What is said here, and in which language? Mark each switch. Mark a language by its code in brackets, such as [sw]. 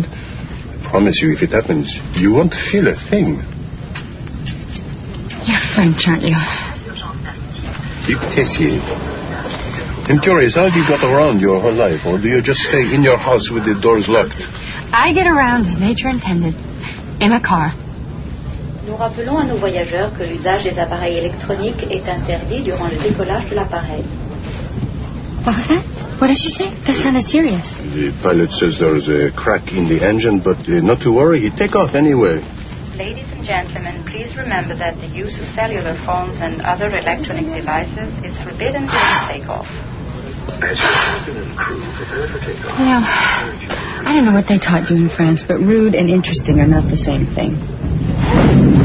[en] I promise you, if it happens, you won't feel a thing. You're French, aren't you? Duc Tessier. I'm curious, how have you got around your whole life, or do you just stay in your house with the doors locked? I get around as nature intended, in a car. [fr] Nous rappelons à nos voyageurs que l'usage des appareils électroniques est interdit durant le décollage de l'appareil. [en] What was that? What did she say? That sounded serious. The pilot says there's a crack in the engine, but not to worry, he'd take off anyway. Ladies and gentlemen, please remember that the use of cellular phones and other electronic devices is forbidden during takeoff. You know, I don't know what they taught you in France, but rude and interesting are not the same thing.